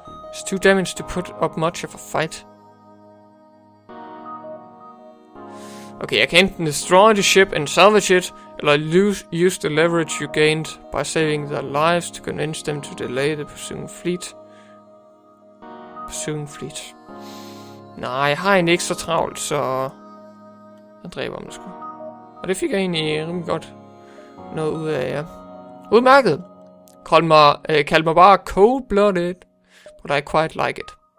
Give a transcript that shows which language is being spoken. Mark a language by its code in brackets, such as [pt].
[en] It's too damaged to put up much of a fight. Okay, [da] jeg kan enten [en] destroy the ship and salvage it, [da] eller [en] use the leverage you gained by saving their lives to convince them to delay the pursuing fleet. [da] Nej, jeg har en ekstra travlt, så... Jeg dræber mig sgu. Og det fik jeg egentlig rimelig godt noget ud af, ja. Udmærket! Kald mig bare [en] cold-blooded, but I quite like it.